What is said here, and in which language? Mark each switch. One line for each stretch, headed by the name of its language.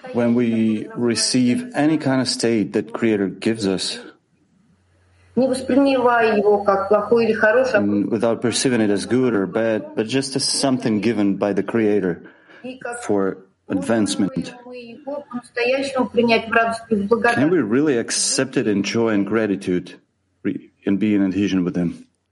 English: When we receive any kind of state that Creator gives us.
Russian: Не воспринимая его как плохой или хороший.
English: Without perceiving it as good or bad, but just as something given by the Creator for advancement. Can we really accept it in joy and gratitude and be in adhesion with Him?